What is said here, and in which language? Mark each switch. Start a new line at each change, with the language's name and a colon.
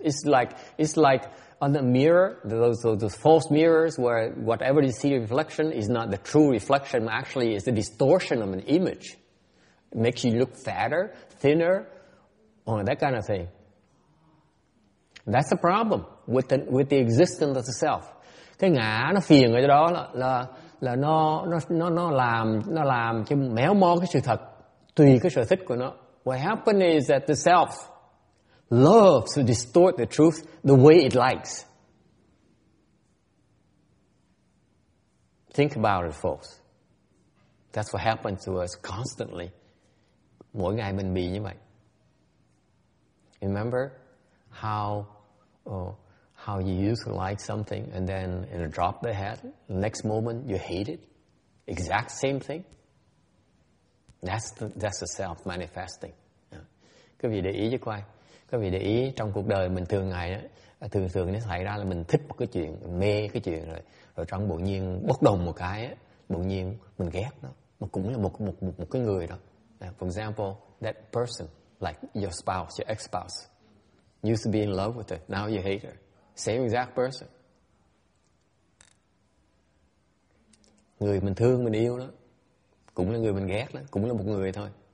English: It's like on the mirror, those false mirrors where whatever you see reflection is not the true reflection, actually is the distortion of an image. It makes you look fatter, thinner, or that kind of thing. That's the problem with the existence of the self.
Vietnamese: Cái ngã nó phiền ở đó là nó làm cho méo mó cái sự thật tùy cái sở thích của nó.
English: What happened is that the self loves to distort the truth the way it likes. Think about it, folks. That's what happens to us constantly.
Vietnamese: Mỗi ngày mình bị như vậy.
English: Remember how you used to like something and then it dropped the head. Next moment you hate it. Exact same thing. That's the self manifesting.
Vietnamese: Các vị để ý cho coi. Các vị để ý trong cuộc đời mình thường ngày á, thường thường nó xảy ra là mình thích một cái chuyện, mê cái chuyện rồi trong bỗng nhiên bốc đồng một cái á, bỗng nhiên mình ghét nó, mà cũng là một cái người đó.
English: For example, that person, like your spouse, your ex-spouse, used to be in love with her, now you hate her. Same exact person.
Vietnamese: Người mình thương, mình yêu đó, cũng là người mình ghét đó, cũng là một người thôi.